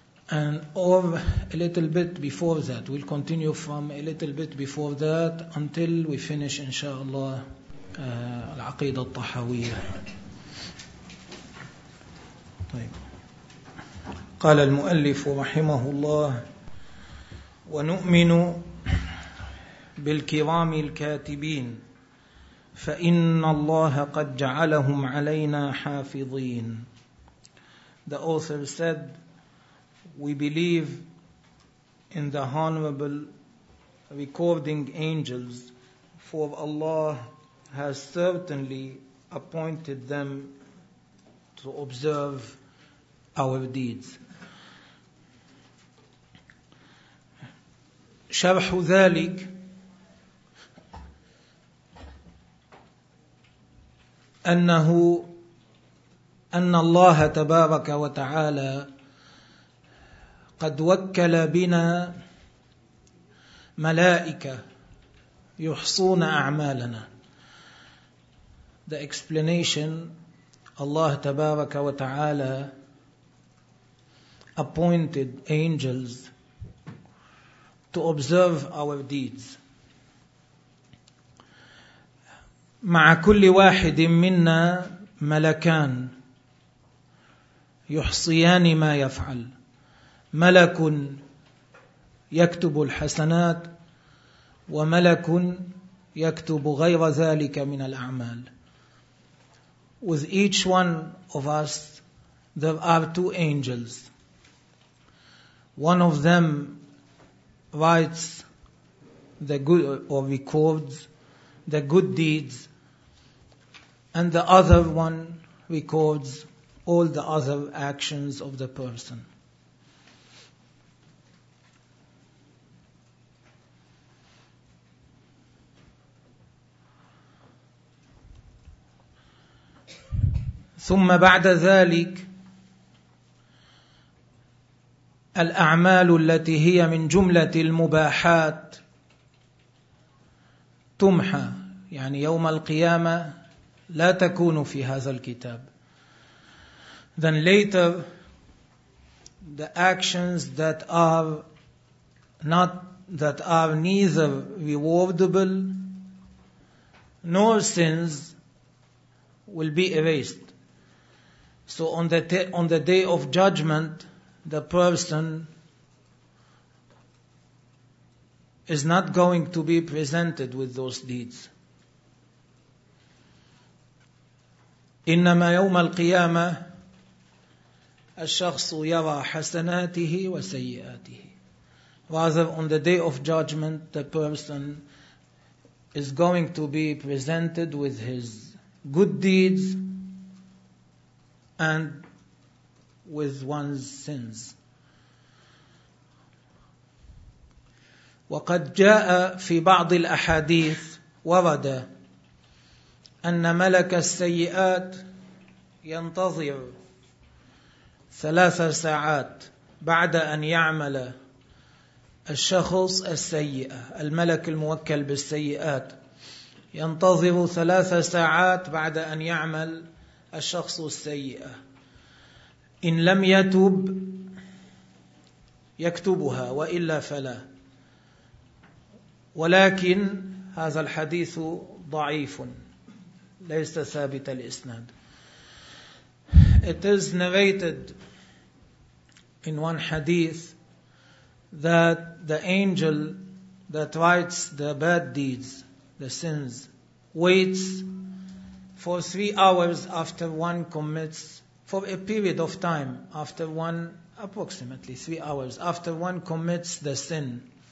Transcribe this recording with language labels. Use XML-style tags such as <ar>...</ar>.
<en>And or a little bit before that, we'll continue from a little bit before that until we finish, inshallah, العقيدة الطحاوية.</en> <ar>طيب. قال المؤلف رحمه الله: ونؤمن بالكرام الكاتبين، فإن الله قد جعلهم علينا حافظين.</ar> <en>The author said, we believe in the honorable recording angels, for Allah has certainly appointed them to observe our deeds.</en> <ar>شرح ذلك أنه أن الله تبارك وتعالى قد وكل بنا ملائكة يحصون أعمالنا.</ar> <en>The explanation: Allah</en> <ar>tabaraka wa ta'ala</ar> <en>appointed angels to observe our deeds.</en> <ar>مع كل واحد منا ملكان يحصيان ما يفعل. ملك يكتب الحسنات، وملك يكتب غير ذلك من الأعمال.</ar> <en>With each one of us, there are two angels. One of them writes the good, or records the good deeds, and the other one records all the other actions of the person.</en> <ar>ثم بعد ذلك الأعمال التي هي من جملة المباحات تمحى، يعني يوم القيامة لا تكون في هذا الكتاب.</ar> <en>Then later the actions that are not, that are neither rewardable nor sins, will be erased. So on the day of judgment, the person is not going to be presented with those deeds.</en> <ar>إِنَّمَا يَوْمَ الْقِيَامَةِ الشَّخْصُ يَرَى حَسَنَاتِهِ وَسَيِّئَاتِهِ.</ar> <en>Rather, on the day of judgment, the person is going to be presented with his good deeds and with one's sins.</en> <ar>وقد جاء في بعض الأحاديث ورد أن ملك السيئات ينتظر 3 ساعات بعد أن يعمل الشخص السيئة، الملك الموكل بالسيئات ينتظر 3 ساعات بعد أن يعمل الشخص السيئة. إن لم يتوب يكتبها وإلا فلا. ولكن هذا الحديث ضعيف، ليس ثابت الإسناد.</ar> <en>It is narrated in one hadith that the angel that writes the bad deeds, the sins, waits for 3 hours after one commits, for a period of time, after one, approximately 3 hours, after one commits the sin.</en>